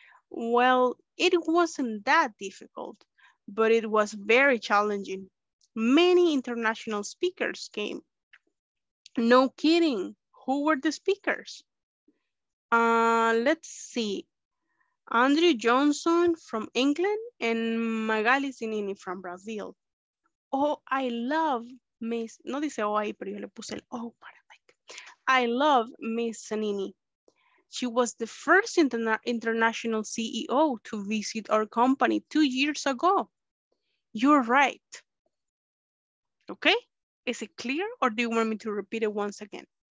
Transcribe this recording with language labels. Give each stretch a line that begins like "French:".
English: Well, it wasn't that difficult, but it was very challenging. Many international speakers came. No kidding. Who were the speakers? Let's see. Andrew Johnson from England and Magali Zinini from Brazil.
Spanish: Oh, I love Miss, no dice oh ahí, pero yo le puse el oh para like.
English: I love Miss Zanini. She was the first international CEO to visit our company 2 years ago. You're right. Okay, is it clear or do you want me to repeat it once again?